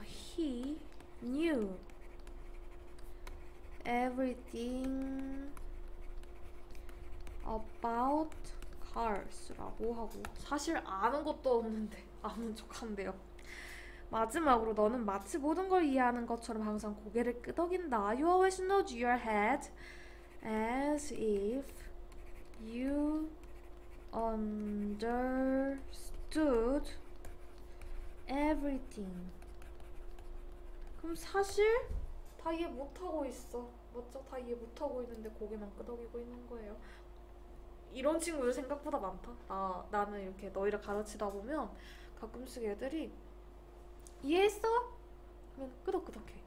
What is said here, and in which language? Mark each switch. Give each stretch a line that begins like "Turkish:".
English: He knew everything about cars
Korean: 라고 하고, 사실 아는 것도 없는데 아는 척한대요. 마지막으로 너는 마치 모든 걸 이해하는 것처럼 항상 고개를 끄덕인다.
English: You always nod your head as if you understood everything.
Korean: 그럼 사실 다 이해 못하고 있어. 맞죠? 다 이해 못하고 있는데 고개만 끄덕이고 있는 거예요. 이런 친구들 생각보다 많다. 나는 이렇게 너희를 가르치다 보면 가끔씩 애들이 이해했어? 그러면 끄덕끄덕해.